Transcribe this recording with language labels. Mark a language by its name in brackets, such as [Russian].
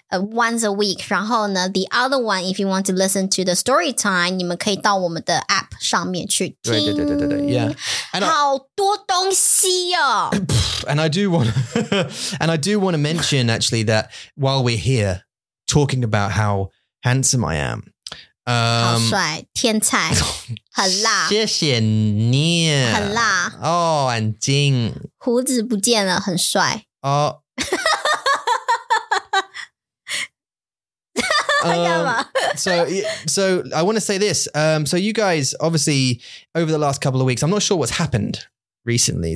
[English] once a week. [Chinese] 然后呢, [English] the other one, if you want to listen to the story time, [Chinese] 你们可以到我们的 app 上面去听。对对对对对对。 [English] Yeah, [Chinese] 好多东西哦。 [English] And I do want to mention actually that while we're here talking about how handsome I am. [Chinese] 好帅，天才，很辣。谢谢你，很辣。哦，眼睛，胡子不见了，很帅。哦，干嘛？So [English] I want to say this. So you guys, obviously, over the last couple of weeks, I'm not sure what's happened recently.